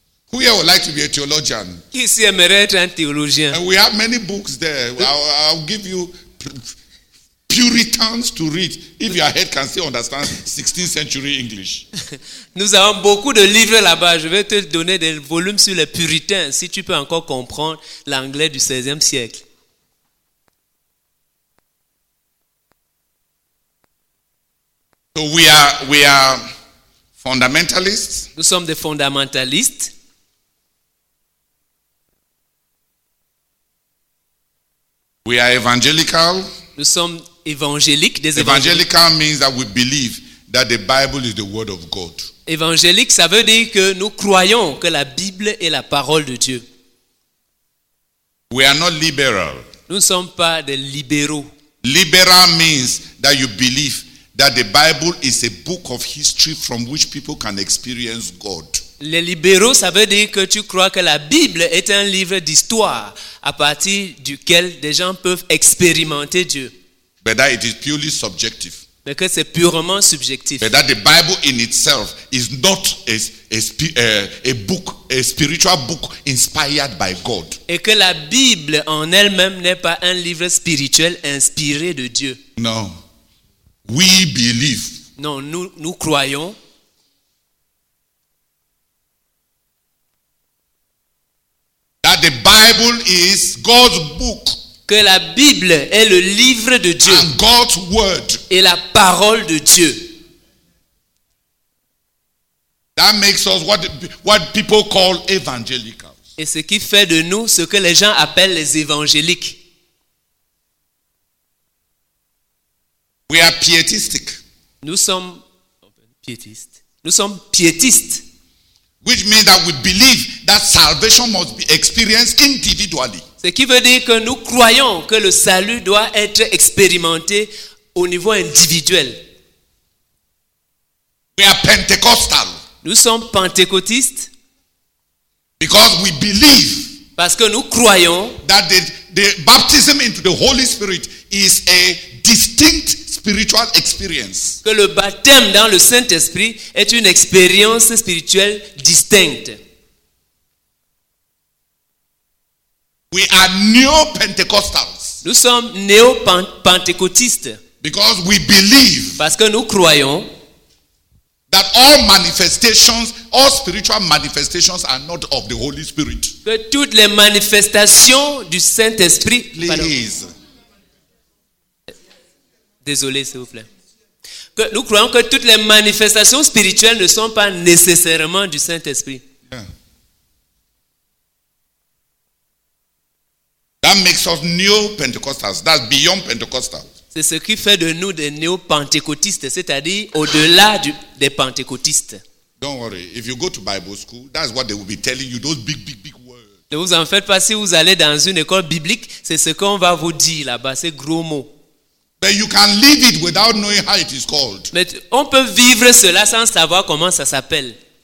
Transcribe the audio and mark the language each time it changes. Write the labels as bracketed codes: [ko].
[en] Who here would like to be a theologian? [fr] Qui ici aimerait être un théologien? [en] We have many books there. I'll give you Puritans to read. If your head can still understand 16th century English. [fr] Nous avons beaucoup de livres là-bas. Je vais te donner des volumes sur les puritains si tu peux encore comprendre l'anglais du 16e siècle. [en] So we are fundamentalists. [fr] Nous sommes des fondamentalistes. [en] We are evangelical. [fr] Nous sommes évangéliques, des évangéliques. [en] Evangelical means that we believe that the Bible is the word of God. [fr] Évangélique, ça veut dire que nous croyons que la Bible est la parole de Dieu. [en] We are not liberal. [fr] Nous ne sommes pas des libéraux. [en] Liberal means that you believe that the Bible is a book of history from which people can experience God. [fr] Les libéraux, ça veut dire que tu crois que la Bible est un livre d'histoire à partir duquel des gens peuvent expérimenter Dieu. [en] But that it is purely subjective. [fr] Mais que c'est purement subjectif. [en] But that the Bible in itself is not a book, a spiritual book inspired by God. [fr] Et que la Bible en elle-même n'est pas un livre spirituel inspiré de Dieu. [en] No. We believe. [fr] Non, nous croyons. [en] That the Bible is God's book. [fr] Que la Bible est le livre de Dieu. [en] And God's word. [fr] Et la parole de Dieu. [en] That makes us what people call evangelicals. [fr] Et ce qui fait de nous ce que les gens appellent les évangéliques. [en] We are pietistic. [fr] Nous sommes piétistes. [en] Which means that we believe that salvation must be experienced individually. [fr] Ce qui veut dire que nous croyons que le salut doit être expérimenté au niveau individuel. [en] We are Pentecostal. [fr] Nous sommes pentecôtistes. [en] Because we believe. [fr] Parce que nous croyons. [en] That the baptism into the Holy Spirit is a distinct spiritual experience. [fr] Que le baptême dans le Saint-Esprit est une expérience spirituelle distincte. [en] We are neo-Pentecostals. [fr] Nous sommes néo-pentecôtistes. [en] Because we believe. [fr] Parce que nous croyons. [en] That all manifestations, all spiritual manifestations are not of the Holy Spirit. [fr] Que toutes les manifestations du Saint-Esprit. [en] Please. [fr] Désolé, s'il vous plaît. Que nous croyons que toutes les manifestations spirituelles ne sont pas nécessairement du Saint-Esprit. [en] Yeah. That makes us neo-Pentecostals. That's beyond Pentecostals. [fr] C'est ce qui fait de nous des néo-pentecôtistes, c'est-à-dire au-delà des pentecôtistes. [en] Don't worry. If you go to Bible school, that's what they will be telling you, those big, big, big words. [fr] Ne vous en faites pas, si vous allez dans une école biblique, c'est ce qu'on va vous dire là-bas, ces gros mots. [en] But you can live it without knowing how it is called. [fr] Mais on peut vivre cela sans savoir comment ça s'appelle.